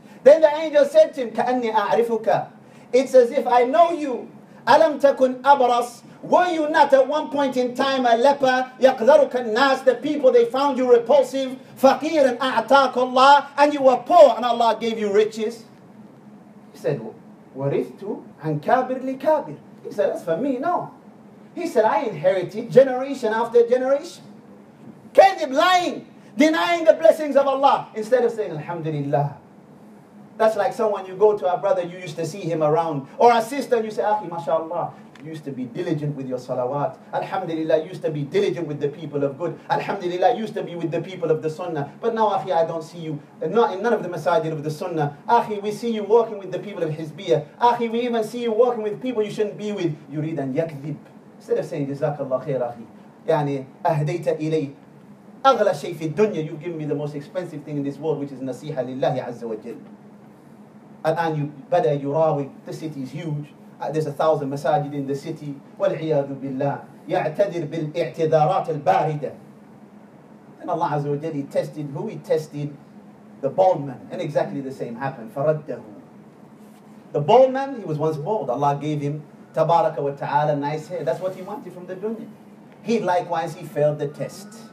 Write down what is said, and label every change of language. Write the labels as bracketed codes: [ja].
[en] Then the angel said to him, [ar] كَأَنِّي أَعْرِفُكَ. [en] It's as if I know you. [ar] أَلَمْ تَكُنْ أَبْرَصْ. [en] Were you not at one point in time a leper? [ar] يَقْذَرُكَ النَّاسِ. [en] The people, they found you repulsive. [ar] فَقِيرًا أَعْتَاكُ اللَّهِ. [en] And you were poor and Allah gave you riches. He said, [ar] وَرِثْتُ عَنْ كَابِرْ لِكَابِرْ. [en] He said, that's for me. No. He said, I inherited generation after generation. Kadhib, lying, denying the blessings of Allah, instead of saying, alhamdulillah. That's like someone, you go to a brother, you used to see him around, or a sister, and you say, ahi, mashallah, you used to be diligent with your salawat. Alhamdulillah, you used to be diligent with the people of good. Alhamdulillah, you used to be with the people of the sunnah. But now, ahi, I don't see you. Not in none of the masajid of the sunnah. Ahi, we see you walking with the people of Hizbiyah. Ahi, we even see you walking with people you shouldn't be with. [ar] Yurid an yakdhib. [en] Instead of saying, [ar] jazakallah khair, ahi. Yani, ahdayta ilay. أغلى شيء في الدنيا. [en] You give me the most expensive thing in this world, which is [ar] نصيحة لله عز وجل. الآن بدا يراوغ. [en] The city is huge. There's 1,000 مساجد in the city. [ar] والعياذ بالله يعتذر بالاعتذارات الباردة. [en] And Allah عز وجل, he tested who? He tested the bald man. And exactly the same happened. [ar] فرده. [en] The bald man, he was once bald. Allah gave him تبارك وتعالى nice hair. That's what he wanted from the dunya. He likewise, he failed the test.